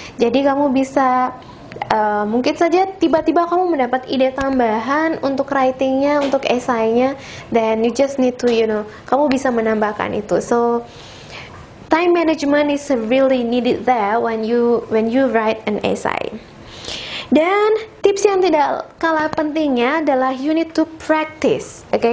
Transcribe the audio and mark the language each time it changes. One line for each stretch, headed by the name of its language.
Indonesian: Jadi kamu bisa, mungkin saja tiba-tiba kamu mendapat ide tambahan untuk writingnya, untuk esainya,
English: then you just need to, you know,
Indonesian: kamu bisa menambahkan itu.
English: So time management is really needed there when you write an essay.
Indonesian: Dan tips yang tidak kalah pentingnya adalah
English: you need to practice,
Indonesian: oke?